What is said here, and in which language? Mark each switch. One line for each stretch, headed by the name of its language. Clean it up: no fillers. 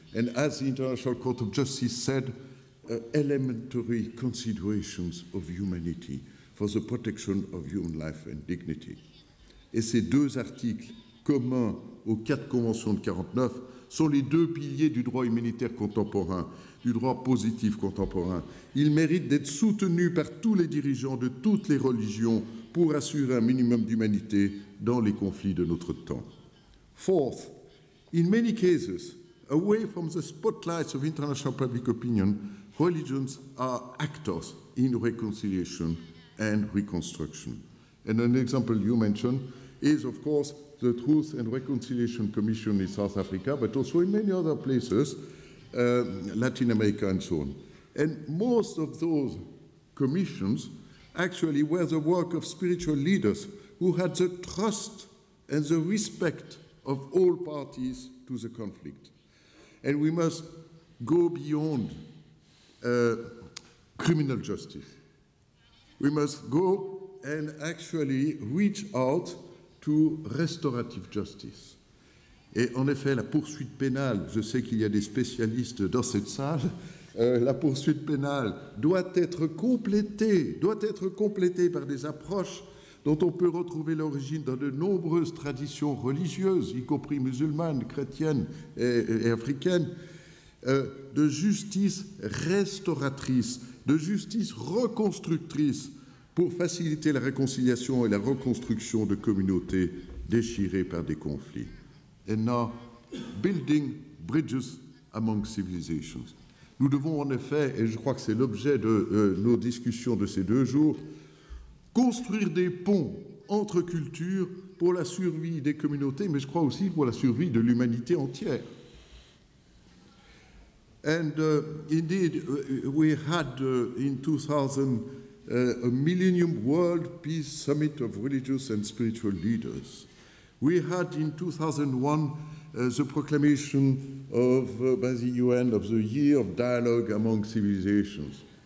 English: And as the International Court of Justice said, elementary considerations of humanity for the protection of human life and dignity.
French: Et ces deux articles communs aux quatre conventions de 49 sont les deux piliers du droit humanitaire contemporain, du droit positif contemporain. Ils méritent d'être soutenus par tous les dirigeants de toutes les religions pour assurer un minimum d'humanité dans les conflits de notre temps.
English: Fourth, in many cases, away from the spotlights of international public opinion, religions are actors in reconciliation and reconstruction. And an example you mentioned is, of course, the Truth and Reconciliation Commission in South Africa, but also in many other places, Latin America and so on. And most of those commissions actually were the work of spiritual leaders who had the trust and the respect of all parties to the conflict. And we must go beyond criminal justice. We must go and actually reach out to restorative justice.
French: Et en effet, la poursuite pénale, je sais qu'il y a des spécialistes dans cette salle, la poursuite pénale doit être complétée par des approches dont on peut retrouver l'origine dans de nombreuses traditions religieuses, y compris musulmanes, chrétiennes et africaines, de justice restauratrice, de justice reconstructrice pour faciliter la réconciliation et la reconstruction de communautés déchirées par des conflits.
English: And now, building bridges among civilizations.
French: Nous devons en effet, et je crois que c'est l'objet de nos discussions de ces deux jours, construire des ponts entre cultures pour la survie des communautés, mais je crois aussi pour la survie de l'humanité entière.
English: And indeed, we had in 2000 a Millennium World Peace Summit of Religious and Spiritual Leaders. We had in 2001 the proclamation of by the UN of the Year of Dialogue Among Civilizations.